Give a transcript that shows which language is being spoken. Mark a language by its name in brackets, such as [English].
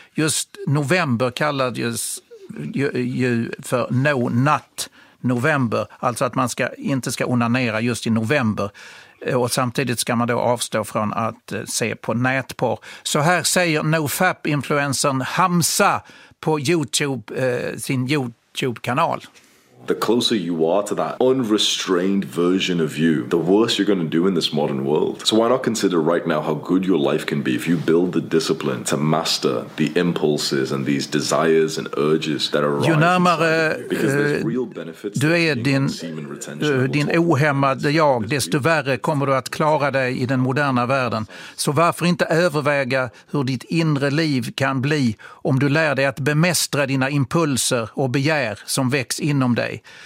[Swedish] Just november kallades ju för no nut november, alltså att man inte ska onanera just i november, och samtidigt ska man då avstå från att se på nätporr. Så här säger NoFap-influencern Hamza på YouTube, sin YouTube-kanal. [English] The closer you are to that unrestrained version of you, the worse you're going to do in this modern world. So why not consider right now how good your life can be if you build the discipline to master the impulses and these desires and urges that arise. [Swedish] Ju närmare du är din ohämmade jag, desto värre kommer du att klara dig i den moderna världen. Så varför inte överväga hur ditt inre liv kan bli om du lär dig att bemästra dina impulser och begär som väcks inom dig?